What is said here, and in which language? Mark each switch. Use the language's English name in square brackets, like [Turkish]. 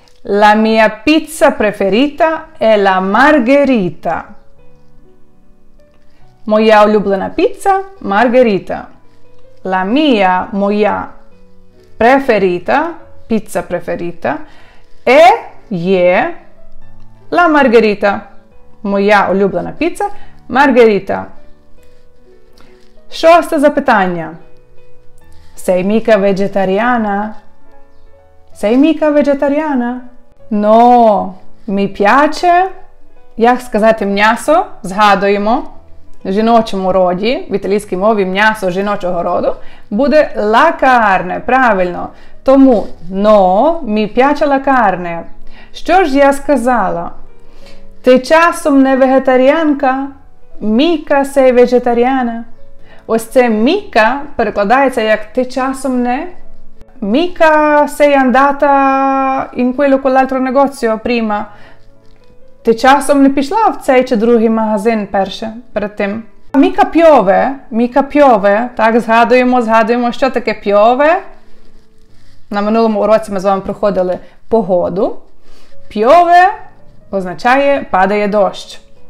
[Italian] La mia pizza preferita è la margherita. [Ukrainian] Моя улюблена піца – маргарита. [Italian] La mia, моя, preferita, піца preferita, e є la margherita. [Ukrainian] Моя улюблена піца – маргарита. Шосте запитання. [Italian] Sei mica vegetariana? Sei mica vegetariana? No, mi piace, [Ukrainian] як сказати м'ясо, згадуємо. В жіночому роді, в італійській мові, м'ясо жіночого роду, буде «la carne», правильно. [Italian] Тому «no» – «mi piace la carne». [Ukrainian] Що ж я сказала? Ти часом не вегетаріанка? [Italian] Mica sei vegetariana? [Ukrainian] Ось це «mica» перекладається як «ти часом не?» [Italian] Mica sei andata in quello quell'altro negozio prima? [Ukrainian] Ти часом не пішла в цей чи другий магазин перше, перед тим? Міка пьове, так, згадуємо, згадуємо, що таке пьове. На минулому уроці ми з вами проходили погоду. Пьове означає падає дощ.